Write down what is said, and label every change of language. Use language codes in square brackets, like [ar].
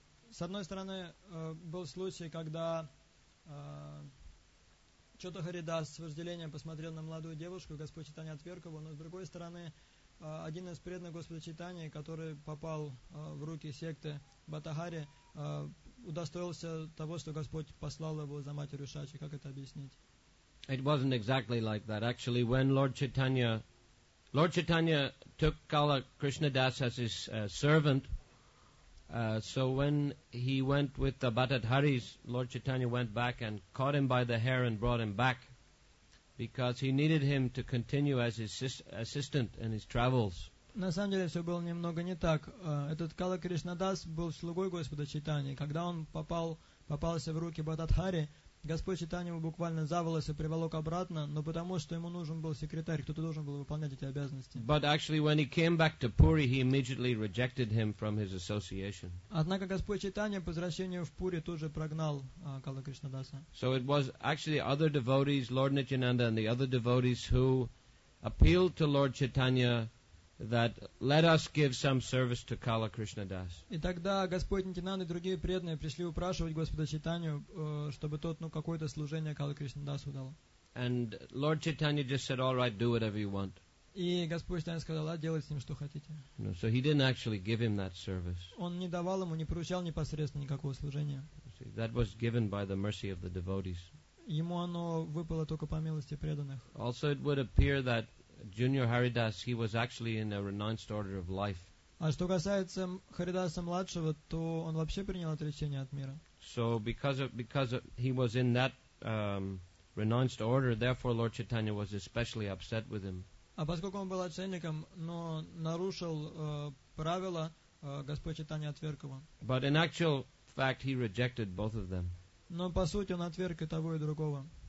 [ru] С одной стороны, был случай, когда Чота Харидас с вожделением посмотрел на молодую девушку, Господь Читания отверг его, но с другой стороны, один из преданных Господа Читания, который попал в руки секты Батахари, удостоился того, что Господь послал его за матерью Шачи. Как это объяснить? [en] It wasn't exactly like that. Actually, when Lord Chaitanya took Kala Krishna Das as his servant, so when he went with the Bhattadharis, Lord Chaitanya went back and caught him by the hair and brought him back because he needed him to continue as his assistant in his travels. [ru] На самом деле все было немного не так. Этот Кала Кришнадас был слугой Господа Чайтаньи. Когда он попался в руки Бхаттадхари, Господь Чайтанья его буквально за волосы приволок обратно, но потому что ему нужен был секретарь, кто-то должен был выполнять эти обязанности. [en] But actually, when he came back to Puri, he immediately rejected him from his association. [ru] Однако Господь Чайтанья по возвращению в Пури тут же прогнал Кала Кришнадаса. [en] So it was actually other devotees, Lord Nityananda and the other devotees, who appealed to Lord Chaitanya that let us give some service to Kala Krishna Das. [ru] И тогда Господь Нитинанда и другие преданные пришли упрашивать Господа Чайтанью, чтобы тот, ну, какое-то служение Кала Кришнадасу дал. [en] And Lord Chaitanya just said, all right, do whatever you want. [ru] И Господь Чайтанья сказал, да, делайте с ним что хотите. [en] No, so he didn't actually give him that service. [ru] Он не давал ему, не поручал непосредственно никакого служения. [en] See, that was given by the mercy of the devotees. [ru] Ему оно выпало только по милости преданных. [en] Also, it would appear that Junior Haridas, he was actually in a renounced order of life. [ru] А что касается Харидаса младшего, то он вообще принял отречение от мира. [en] So because of he was in that renounced order, therefore Lord Chaitanya was especially upset with him. [ru] А поскольку он был отшельником, но нарушил правила, Господь Чайтанья отверг его. [en] But in actual fact, he rejected both of them. [ru] Но по сути он отверг и того, и другого.